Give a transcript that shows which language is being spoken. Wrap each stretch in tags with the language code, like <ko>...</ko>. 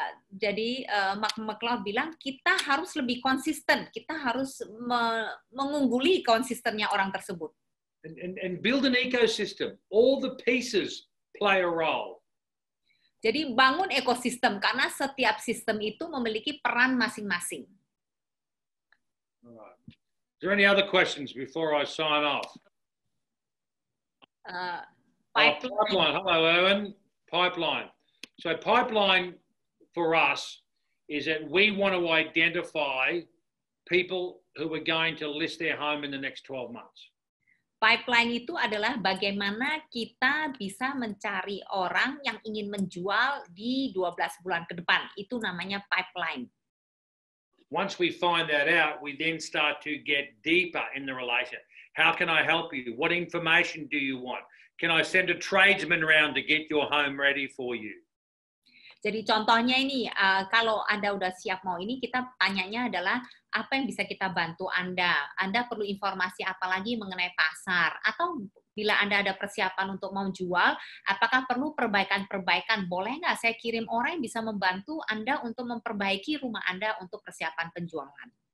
<id>Jadi McLeod bilang kita harus lebih konsisten, kita harus mengungguli konsistennya orang tersebut.</id> <en>And build an ecosystem. All the pieces play a role.</en> <id>Jadi bangun ekosistem karena setiap sistem itu memiliki peran masing-masing.</id> <en>Alright. Is there any other questions before I sign off? Pipeline. Hello, Owen. Pipeline. So pipeline for us is that we want to identify people who are going to list their home in the next 12 months.</en> <id>Pipeline itu adalah bagaimana kita bisa mencari orang yang ingin menjual di 12 bulan ke depan. Itu namanya pipeline.</id> <en>Once we find that out, we then start to get deeper in the relation. How can I help you? What information do you want? Can I send a tradesman around to get your home ready for you?</en> <id>Jadi contohnya ini, kalau Anda udah siap mau ini, kita tanyanya adalah apa yang bisa kita bantu Anda? Anda perlu informasi apa lagi mengenai pasar? Atau bila Anda ada persiapan untuk mau jual, apakah perlu perbaikan-perbaikan? Boleh nggak saya kirim orang yang bisa membantu Anda untuk memperbaiki rumah Anda untuk persiapan penjualan?</id>